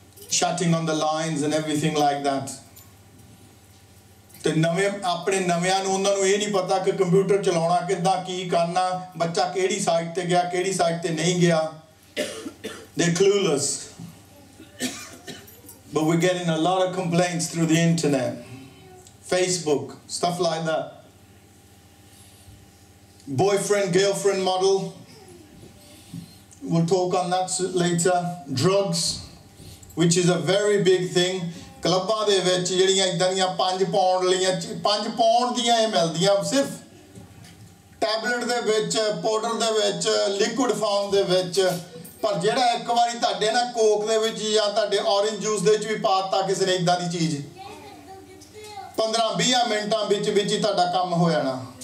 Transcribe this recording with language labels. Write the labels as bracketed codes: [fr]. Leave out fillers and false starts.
[en] shooting on the lines and everything like that [pa] ਤੇ ਨਵੇਂ ਆਪਣੇ ਨਵਿਆਂ ਨੂੰ ਉਹਨਾਂ ਨੂੰ ਇਹ ਨਹੀਂ ਪਤਾ ਕਿ ਕੰਪਿਊਟਰ ਚਲਾਉਣਾ ਕਿੱਦਾਂ ਕੀ ਕਰਨਾ ਬੱਚਾ ਕਿਹੜੀ ਸਾਈਟ 'ਤੇ ਗਿਆ ਕਿਹੜੀ ਸਾਈਟ 'ਤੇ ਨਹੀਂ ਗਿਆ [en] They're clueless. But we're getting a lot of complaints through the internet, Facebook, stuff like that. Boyfriend, girlfriend model. We'll talk on that later. Drugs, which is a very big thing. [pa] ਕਲੱਬਾਂ ਦੇ ਵਿੱਚ ਜਿਹੜੀਆਂ ਇੱਦਾਂ ਦੀਆਂ 5 pound ਲਈਆਂ 5 pound ਦੀਆਂ ਇਹ ਮਿਲਦੀਆਂ ਸਿਰਫ ਟੈਬਲੇਟ ਦੇ ਵਿੱਚ ਪਾਊਡਰ ਦੇ ਵਿੱਚ ਲਿਕੁਇਡ ਫਾਰਮ ਦੇ ਵਿੱਚ ਪਰ ਜਿਹੜਾ ਇੱਕ ਵਾਰੀ ਤੁਹਾਡੇ ਨਾ ਕੋਕ ਦੇ ਵਿੱਚ ਜਾਂ ਤੁਹਾਡੇ ਔਰੇਂਜ ਜੂਸ ਦੇ ਵਿੱਚ ਵੀ ਪਾ ਦਿੱਤਾ ਕਿਸੇ ਨੇ ਇੱਦਾਂ ਦੀ ਚੀਜ਼ 15-20 ਮਿੰਟਾਂ ਵਿੱਚ ਵਿੱਚ ਹੀ ਤੁਹਾਡਾ ਕੰਮ ਹੋ ਜਾਣਾ